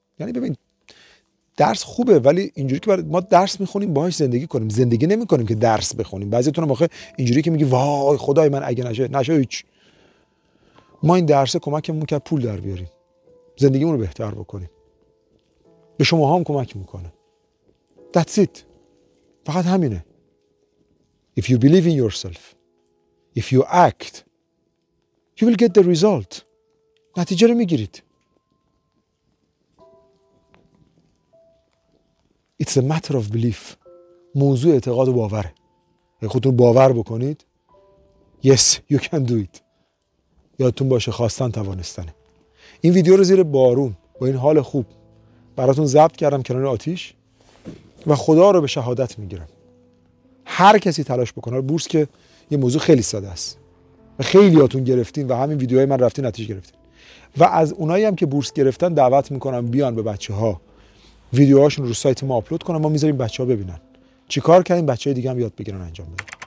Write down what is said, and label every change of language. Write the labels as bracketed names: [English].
[Persian] یعنی ببین درس خوبه، ولی اینجوری که ما درس میخونیم باهاش زندگی کنیم، زندگی نمیکنیم که درس بخونیم. بعضیتون آخه اینجوری که میگی وای خدای من اگه نشه هیچ، ما این درس کمکمون کرد پول در بیاریم، زندگیمون رو بهتر بکنیم، به شما هم کمک میکنه. [English] That's it، [Persian] فقط همینه. [English] If you believe in yourself, if you act, you will get the result. [Persian] نتیجه رو میگیرید. [English] It's a matter of belief. [Persian] موضوع اعتقاد و باوره. اگه خودتون باور بکنید [English] Yes, you can do it. [Persian] یادتون باشه خواستن توانستنه. این ویدیو رو زیر بارون با این حال خوب براتون ضبط کردم کنار آتیش و خدا رو به شهادت میگیرم هر کسی تلاش بکنه. بورس که یه موضوع خیلی ساده است و خیلی هاتون گرفتین و همین ویدیوهای من رفتین نتیجه گرفتین، و از اونایی هم که بورس گرفتن دعوت میکنم بیان به بچه‌ها ویدیوهاشون رو سایت ما آپلود کنن، ما می‌ذاریم بچه‌ها ببینن چیکار کردیم، بچه‌های دیگه هم یاد بگیرن انجام بدن.